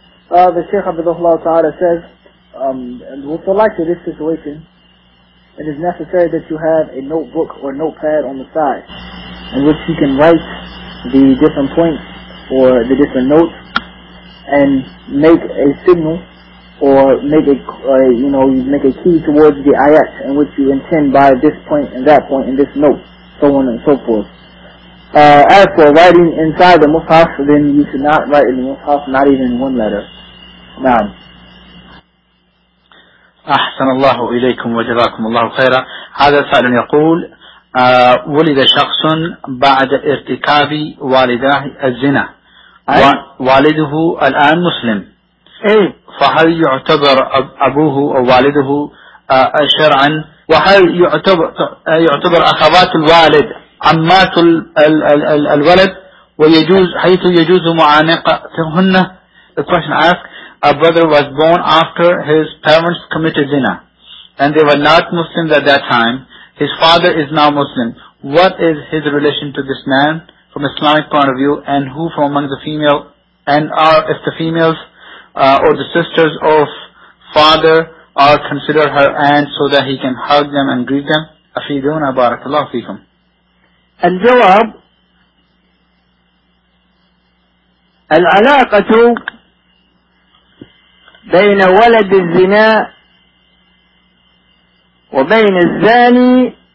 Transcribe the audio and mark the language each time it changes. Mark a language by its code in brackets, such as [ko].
[en] The Shaykh Abdullah Ta'ala says, with the like of this situation, it is necessary that you have a notebook or notepad on the side in which you can write the different points or the different notes and make a signal or make a key towards the ayat in which you intend by this point and that point and this note, so on and so forth. As for writing inside the Mus'haf, then you should not write in the Mus'haf, not even one letter. Now. [ar] أحسن الله إليكم وجزاكم الله خيرا. هذا سؤال يقول ولد شخص بعد ارتكاب والده الزنا. والده الآن مسلم. فهل يعتبر أبوه أو والده شرعا؟ وهل يعتبر أخوات الوالد عمات الولد ويجوز حيث يجوز معانقتهن؟ [en] The question asks, a brother was born after his parents committed zina and they were not Muslims at that time. His father is now Muslim. What is his relation to this man from Islamic point of view, and who from among the female and are if the females or the sisters of father are considered her aunt so that he can hug them and greet them? [ar] Afiduna barakallahu feekum. Al-jawab, al-alaqatu بين ولد الزنا وبين الزاني